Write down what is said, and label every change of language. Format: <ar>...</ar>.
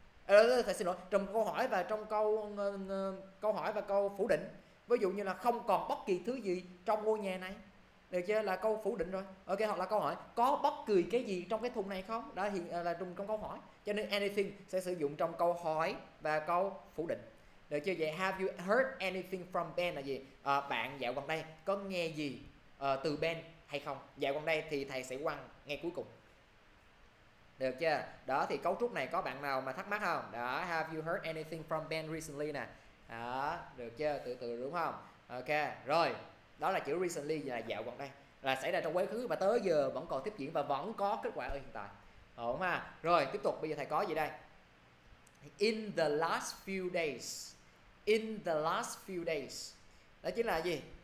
<vi>Thầy xin lỗi, trong câu hỏi và trong câu hỏi và câu phủ định. Ví dụ như là không còn bất kỳ thứ gì trong ngôi nhà này. Được chưa? Là câu phủ định rồi. Ok, hoặc là câu hỏi có bất kỳ cái gì trong cái thùng này không? Đó hiện là trong câu hỏi. Cho nên anything sẽ sử dụng trong câu hỏi và câu phủ định. Được chưa? Vậy</vi> <en>have you heard anything from Ben</en> <vi>là gì? Bạn dạo gần đây có nghe gì từ Ben hay không? Dạo gần đây thì thầy sẽ quăng ngay cuối cùng. Được chưa? Đó thì cấu trúc này có bạn nào mà thắc mắc không? Đó,</vi> <en>have you heard anything from Ben recently</en> <vi>nè. Đó, được chưa? Từ từ đúng không? Ok, rồi. Đó là chữ recently là dạo gần đây, là xảy ra trong quá khứ và tới giờ vẫn còn tiếp diễn và vẫn có kết quả ở hiện tại. Đúng không? Rồi, tiếp tục bây giờ thầy có gì đây?</vi> <en>In the last few days. In the last few days.</en> <vi>Đó chính là gì?</vi>